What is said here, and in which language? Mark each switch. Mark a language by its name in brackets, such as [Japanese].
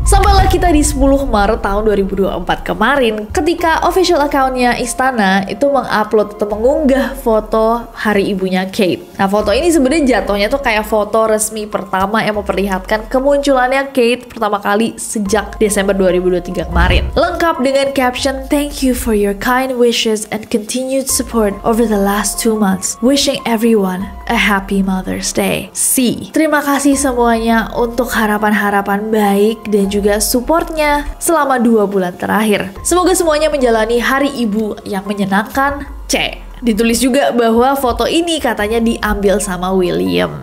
[Indonesian] Sampailah kita di 10 Maret tahun 2024 kemarin ketika official account-nya istana itu mengupload atau mengunggah foto hari ibunya Kate. Nah, foto ini sebenarnya jatuhnya tuh kayak foto resmi pertama yang memperlihatkan kemunculannya Kate pertama kali sejak Desember 2023 kemarin. Lengkap dengan caption, [English] "Thank you for your kind wishes and continued support over the last 2 months. Wishing everyone a happy Mother's Day." See. [Indonesian] Terima kasih semuanya untuk harapan-harapan baik dan juga supportnya selama 2 bulan terakhir. Semoga semuanya menjalani hari ibu yang menyenangkan. C. Ditulis juga bahwa foto ini katanya diambil sama William.